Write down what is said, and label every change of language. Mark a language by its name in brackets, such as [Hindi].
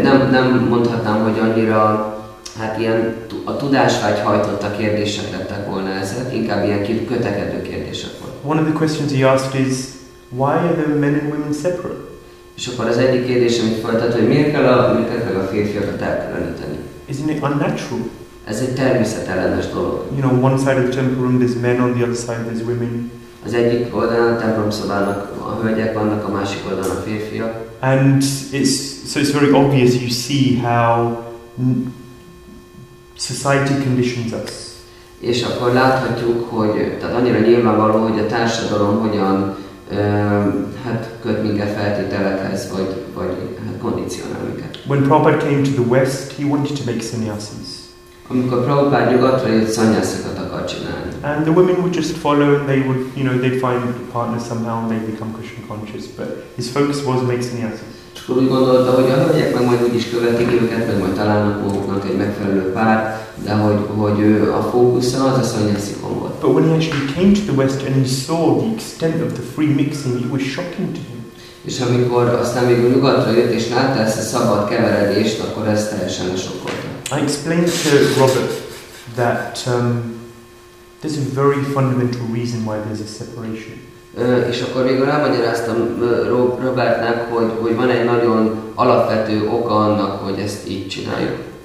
[Hungarian] Nem mondhatnám, hogy annyira, hát ilyen a tudásvágy hajtotta kérdések lettek volna ezek, inkább ilyen kötekedő kérdések volt. [English] One of the questions he asked is, why are the men and women separate? [Hungarian] És akkor az egyik kérdés, amit folytatod, hogy miért kell a nőket meg a férfiakat elkülöníteni? [English] Isn't it unnatural? [Hungarian] Ez egy természetellenes dolog. [English] You know, one side of the temple room there's men, on the other side there's women. [Hungarian] Az egyik oldalán a templom szobának a hölgyek vannak, a másik oldalán a férfiak. [English] And it's very obvious, you see how society conditions us. [Hungarian] És akkor láthatjuk, hogy tehát annyira nyilvánvaló, hogy a társadalom hogyan hát köt minket feltételekhez, vagy hát kondicionál minket. [English] When Prabhupada came to the West, he wanted to make sannyasis. [Hungarian] Amikor Prabhupada nyugatra jött, sannyasikat akart csinálni. [English] And the women would just follow, and they would, you know, they'd find a partner somehow, and they'd become Krishna conscious. But his focus was make sannyasis. [Hungarian] És akkor úgy gondolta, hogy a hölgyek meg majd úgyis követik őket, meg majd találnak maguknak egy megfelelő pár, de hogy a fókusza az a sannyasikon volt. [English] But when he actually came to the West and he saw the extent of the free mixing, it was shocking to him. [Hungarian] És amikor aztán végül nyugatra jött és látta ezt a szabad keveredést, akkor ez teljesen sokkolta. [English] I explained to Robert that there's a very fundamental reason why there's a separation. [Hungarian] És akkor végül elmagyaráztam Robertnek, hogy van egy nagyon alapvető oka annak, hogy ezt így csináljuk.